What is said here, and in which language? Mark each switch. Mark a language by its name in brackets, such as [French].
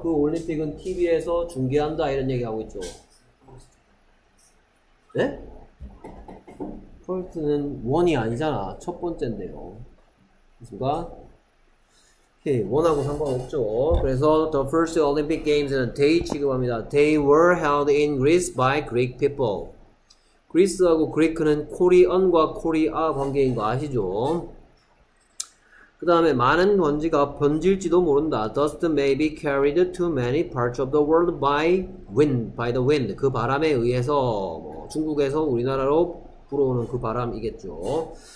[Korean] 그 올림픽은 TV에서 중계한다 이런 얘기하고 있죠. 네? 폴트는 원이 아니잖아. 첫 번째인데요. 무슨가? 오케이, 원하고 상관없죠. 그래서 The first Olympic Games는 데이 취급합니다. [English] They were held in Greece by Greek people. [Korean] 그리스하고 그리크는 코리언과 코리아 관계인 거 아시죠? 그 다음에 많은 먼지가 번질지도 모른다. [English] Dust may be carried to many parts of the world by wind. By the wind. [Korean] 그 바람에 의해서 뭐 중국에서 우리나라로 불어오는 그 바람이겠죠.